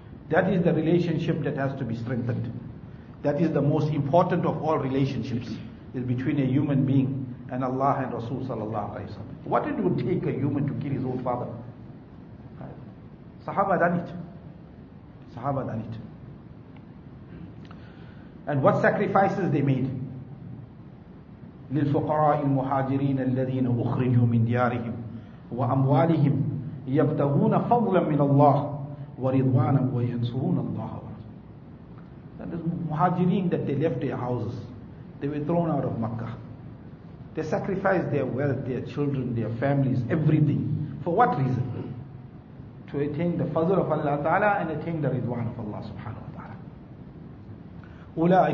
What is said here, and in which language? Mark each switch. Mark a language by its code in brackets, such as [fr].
[en] That is the relationship that has to be strengthened. That is the most important of all relationships, is between a human being and Allah and Rasul sallallahu alaihi wasallam. What it would take a human to kill his own father? Sahaba done it. And what sacrifices they made? [ar] للفقراء المهاجرين الذين أخرجوا من ديارهم وأموالهم يبتغون فضلا من الله ورضوانا وينصرون الله ورسوله. [en] And the muhajirin, that they left their houses, they were thrown out of Makkah. They sacrifice their wealth, their children, their families, everything. For what reason? To attain the fazl of Allah Ta'ala and attain the ridwan of Allah Subhanahu Wa Ta'ala.